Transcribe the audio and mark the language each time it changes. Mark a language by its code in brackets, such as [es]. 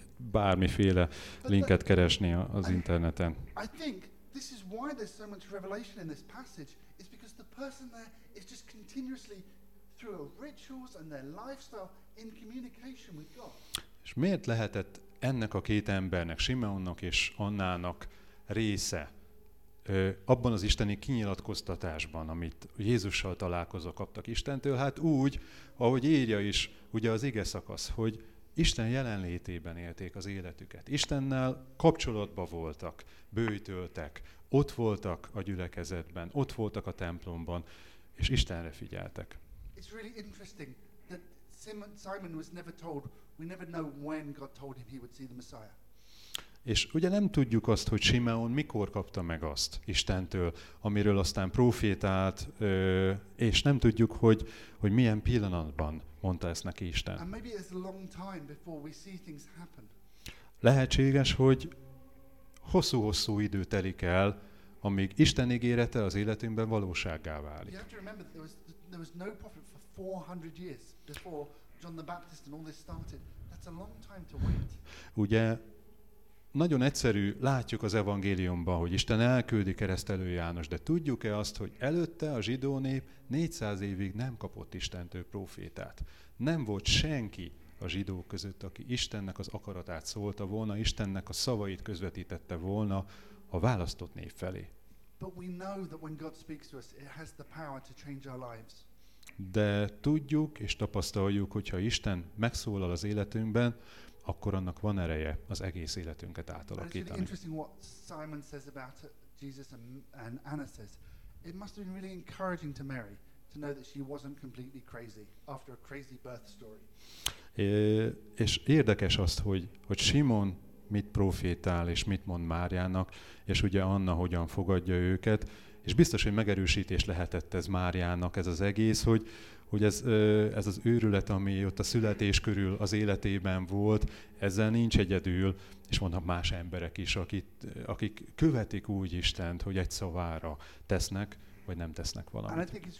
[hu] Bármiféle linket keresni az interneten. [en] I think this is why there's so much revelation in this passage, is because the person there is just continuously through their rituals and their lifestyle in communication with God. [hu] És miért lehetett ennek a két embernek, Simeonnak és Annának része abban az isteni kinyilatkoztatásban, amit Jézussal találkozó kaptak Istentől? Hát úgy, ahogy írja is ugye az ige szakasz, hogy Isten jelenlétében élték az életüket. Istennel kapcsolatban voltak, bőjtöltek, ott voltak a gyülekezetben, ott voltak a templomban, és Istenre figyeltek. [en] It's really interesting that Simon was never told, we never know when God told him he would see the Messiah. [hu] És ugye nem tudjuk azt, hogy Simeon mikor kapta meg azt Istentől, amiről aztán prófétált, és nem tudjuk, hogy milyen pillanatban mondta ezt neki Isten. [en] And maybe it's a long time before we see things happen. [hu] Lehetséges, hogy hosszú-hosszú idő telik el, amíg Isten ígérete az életünkben valósággá válik. [en] You have to remember that there was no prophet for 400 years before John the Baptist and all this started. That's a long time to wait. [hu] Ugye nagyon egyszerű, látjuk az evangéliumban, hogy Isten elküldi keresztelő János, de tudjuk-e azt, hogy előtte a zsidó nép 400 évig nem kapott Istentől prófétát. Nem volt senki a zsidó között, aki Istennek az akaratát szólta volna, Istennek a szavait közvetítette volna a választott nép felé. [en] But we know that when God speaks to us, it has the power to change our lives. [hu] De tudjuk és tapasztaljuk, hogyha Isten megszólal az életünkben, akkor annak van ereje az egész életünket átalakítani. [en] Interesting what Simon says about Jesus and Anna says. It must have been really encouraging to Mary to know that she wasn't completely crazy after a crazy birth story. [hu] És érdekes azt, hogy Simon mit profétál és mit mond Máriának, és ugye Anna hogyan fogadja őket, és biztos, hogy megerősítés lehetett ez Máriának ez az egész, hogy ez az őrület, ami ott a születés körül az életében volt, ezzel nincs egyedül, és vannak más emberek is, akik követik úgy Istent, hogy egy szavára tesznek, vagy nem tesznek valamit.